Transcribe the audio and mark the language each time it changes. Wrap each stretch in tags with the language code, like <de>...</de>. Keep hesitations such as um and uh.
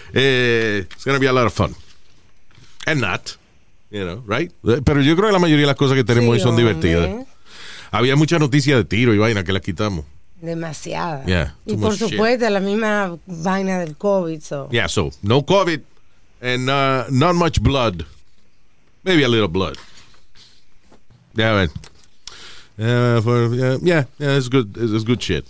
<en>Uh, it's going to be a lot of fun. And not. You know, right?</en> <es>Pero yo creo que la mayoría de las cosas que tenemos hoy son divertidas. Había mucha noticia de tiro y vaina que la quitamos. Demasiada. Yeah, y por supuesto, la misma vaina del COVID.</es> <en>So. Yeah, so, no COVID and uh, not much blood. Maybe a little blood. Ya yeah, Uh, for, uh, yeah, yeah it's good, it's, it's good shit.</en>